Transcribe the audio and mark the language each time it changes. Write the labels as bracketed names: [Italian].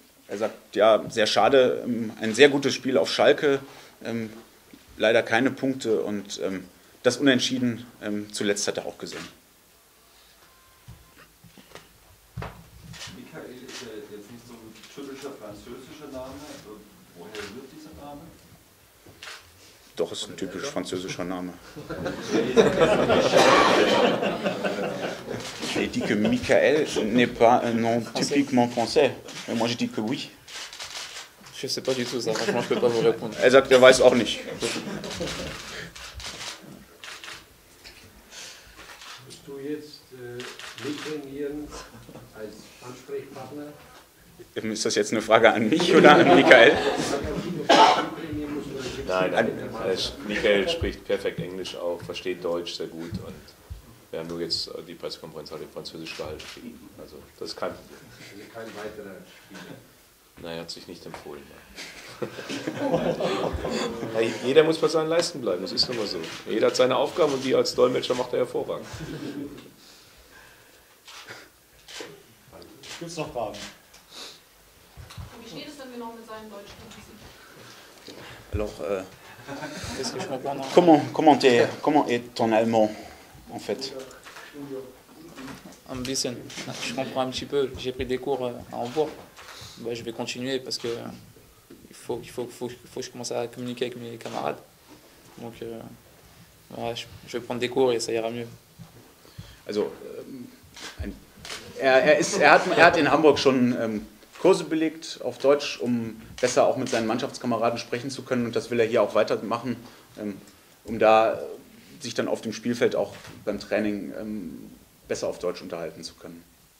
[German] Er sagt, ja, sehr schade, ein sehr gutes Spiel auf Schalke, leider keine Punkte und das Unentschieden zuletzt hat er auch gesehen. Michael ist jetzt nicht so ein typischer französischer Name. Woher rührt dieser Name? Doch, ist ein typisch französischer Name. [French] Je dis que Michael n'est pas un nom typiquement français. Et moi, je dis que oui. Je ne sais pas du tout ça, franchement, je ne peux pas vous répondre. [German] Er sagt, er weiß auch nicht. Bist du jetzt mittrainierend als Ansprechpartner? Ist das jetzt eine Frage an mich oder an Michael? Nein, Michael spricht perfekt Englisch auch, versteht Deutsch sehr gut und wir haben nur jetzt die Pressekonferenz halt in Französisch gehalten. Also das ist kein Problem. Also kein weiterer Spieler. Nein, er hat sich nicht empfohlen. Jeder muss bei seinen Leisten bleiben, das ist nun mal so. Jeder hat seine Aufgaben und die als Dolmetscher macht er hervorragend. Gibt es noch Fragen? Wie steht es denn genau mit seinen deutschen Kompetenzen? [French] Alors, comment est ton allemand, en fait? [German] Un bisschen. [French] Je comprends un petit peu. J'ai pris des cours à Hambourg. Bah, je vais continuer parce que il faut que je commence à communiquer avec mes camarades. Donc, voilà, je vais prendre des cours et ça ira mieux. [German] Also, er hat in Hamburg schon Kurse belegt auf Deutsch, um besser auch mit seinen Mannschaftskameraden sprechen zu können. Und das will er hier auch weitermachen, um da sich dann auf dem Spielfeld auch beim Training besser auf Deutsch unterhalten zu können.